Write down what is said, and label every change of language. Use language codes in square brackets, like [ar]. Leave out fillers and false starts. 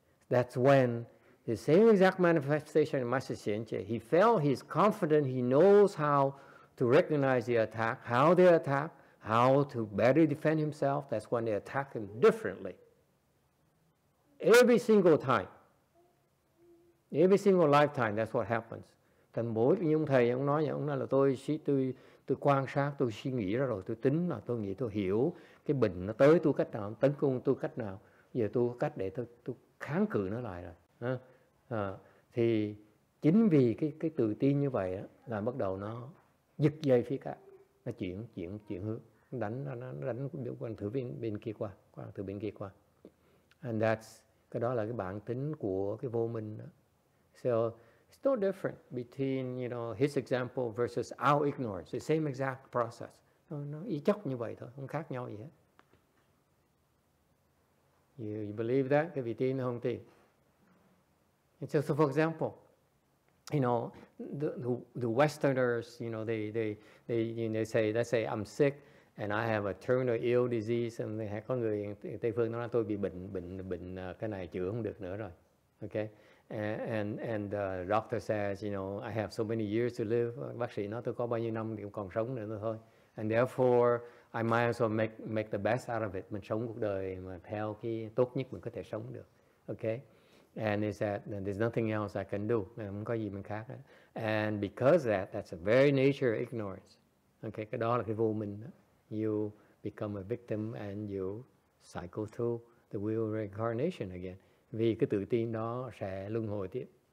[en] That's when the same exact manifestation in Master Xianqie, he felt he's confident, he knows how to recognize the attack, how they attack, how to better defend himself. That's when they attack him differently. Every single time, every single lifetime, that's what happens. [vi] Thành mỗi như ông thầy ông nói là tôi quan sát, tôi suy nghĩ ra rồi, tôi tính là tôi nghĩ, tôi hiểu cái bệnh nó tới tôi cách nào, tấn công tôi cách nào, giờ tôi có cách để tôi kháng cự nó lại rồi. Thì chính vì cái tự tin như vậy đó, là bắt đầu nó giật dây phía cá, nó chuyển hướng, nó đánh từ bên kia qua. [en] And that's, [vi] cái đó là cái bản tính của cái vô minh đó. [en] So it's no different between, you know, his example versus our ignorance. It's the same exact process. [vi] Nó y chóc như vậy thôi, không khác nhau gì hết. [en] You believe that? [vi] Cái vị tin không tin? [en] And so for example, you know, the Westerners, you know, they say, let's say I'm sick and I have a terminal ill disease, and they have, [vi] có người Tây phương nói tôi bị bệnh cái này chữa không được nữa rồi. [en] Okay? And the doctor says, you know, I have so many years to live. [vi] Bác sĩ nói tôi có bao nhiêu năm thì còn sống nữa thôi. [en] And therefore, I might as well make the best out of it. [vi] Mình sống cuộc đời mà theo cái tốt nhất mình có thể sống được. [en] Okay? And they said, there's nothing else I can do. [vi] Không có gì mình khác. [en] And because of that, that's a very nature of ignorance. Okay? [vi] Cái đó là cái vô minh. [en] You become a victim and you cycle through the wheel of reincarnation again. [vi] Vì cái tự tin đó sẽ luân hồi tiếp.